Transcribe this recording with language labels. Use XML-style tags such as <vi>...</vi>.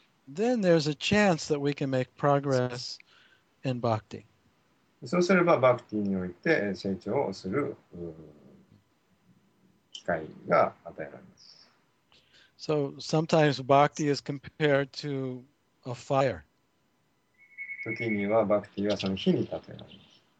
<en>Then there's a chance that we can make progress in bhakti.</en> <ja>そうすれば、バクティにおいて成長をする機会が与えられます。</ja> <en>So sometimes bhakti is compared to a fire.</en> <ja>時には、バクティはその火に例えられます。</ja>